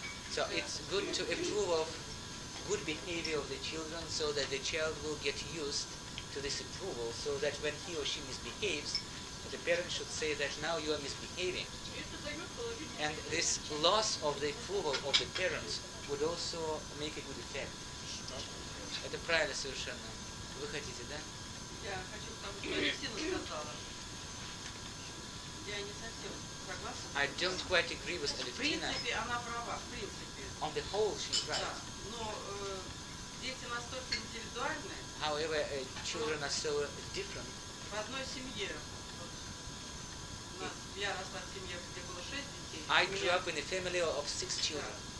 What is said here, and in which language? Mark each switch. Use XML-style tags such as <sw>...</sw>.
<en>So it's good to approve of good behavior of the children so that the child will get used to this approval, so that when he or she misbehaves, the parents should say that now you are misbehaving. And this loss of the approval of the parents would also make a good effect.</en> <ru>Это правильно совершенно. Вы хотите, да? Да. я хочу к тому, что Алексина сказала. Я не совсем согласна.</ru> <en>I don't quite agree with Alexina.</en> <ru>В принципе, она права, в принципе.</ru> <en>On the whole, she's right.</en> <ru>Да, но дети настолько индивидуальны.</ru> <en>However, children are so different.</en> <ru>В одной семье, вот, нас, я росла в семье, где было 6 детей.</ru> <en>I grew up in a family of 6 children.</en>